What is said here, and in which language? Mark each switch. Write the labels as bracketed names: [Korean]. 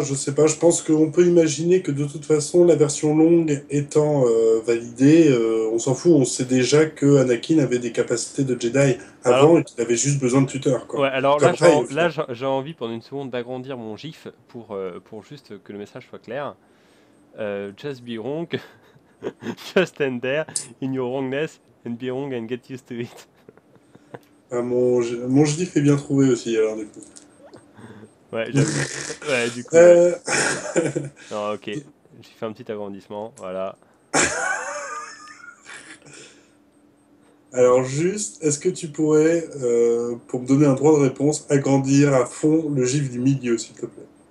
[French] Je pense qu'on peut imaginer que de toute façon, la version longue étant validée, on s'en fout. On sait déjà que Anakin avait des capacités de Jedi avant et Alors, qu'il avait juste besoin de tuteur, ouais, quoi. alors Comme Rey, au final. là j'ai envie pendant une seconde d'agrandir mon gif pour juste que le message soit clair. [English] Just be wrong, just end there in your wrongness and be wrong and get used to it. [French] Ah, mon gif est bien trouvé aussi, alors du coup. Ouais, j'avoue. Ouais, du coup, ouais. Non, ok. J'ai fait un petit agrandissement, voilà. Alors juste, est-ce que tu pourrais, pour me donner un droit de réponse, agrandir à fond le gif du milieu, s'il te plaît?